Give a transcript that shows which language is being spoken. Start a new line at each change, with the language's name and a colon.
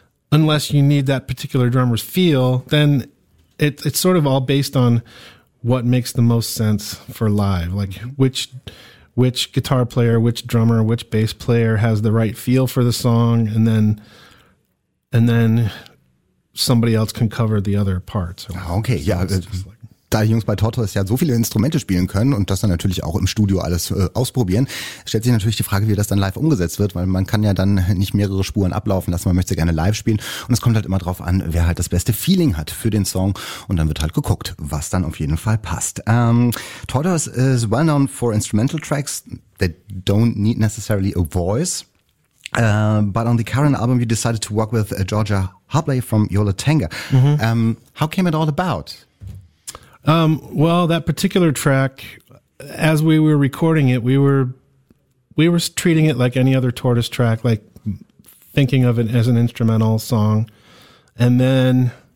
English: Unless you need that particular drummer's feel, then it's sort of all based on what makes the most sense for live, like which guitar player, which drummer, which bass player has the right feel for the song, and then somebody else can cover the other parts.
German: Okay, so ja, da die Jungs bei Tortoise ja so viele Instrumente spielen können und das dann natürlich auch im Studio alles ausprobieren, stellt sich natürlich die Frage, wie das dann live umgesetzt wird, weil man kann ja dann nicht mehrere Spuren ablaufen lassen, man möchte gerne live spielen und es kommt halt immer drauf an, wer halt das beste Feeling hat für den Song und dann wird halt geguckt, was dann auf jeden Fall passt.
English: Tortoise is well known for instrumental tracks that don't need necessarily a voice. But on the current album, you decided to work with Georgia Hubley from Yola Tenga. Mm-hmm. How came it all about? Well, that particular track, as we were recording it, we were treating it like any other Tortoise track, like thinking of it as an instrumental song. And then